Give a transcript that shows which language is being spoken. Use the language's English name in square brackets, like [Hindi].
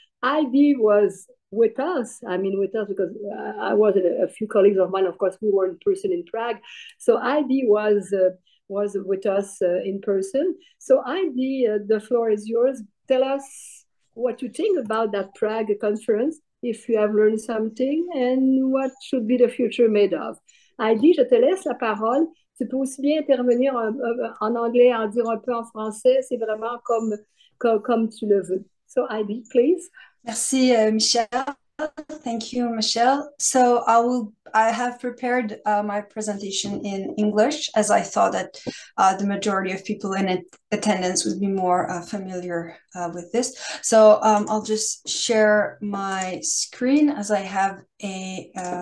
[English] Heidi was with us, because I was a few colleagues of mine, of course, we were in person in Prague. So Heidi was with us in person. So Heidi, the floor is yours. Tell us what you think about that Prague conference, if you have learned something, and what should be the future made of. [French] Heidi, je te laisse la parole. Tu peux aussi bien intervenir en anglais, en dire un peu en français, c'est vraiment comme tu le veux. So Heidi, please. Merci, Michele. [English] Thank you, Michele. So I have prepared my presentation in English, as I thought that the majority of people in attendance would be more familiar with this. So I'll just share my screen as I have a...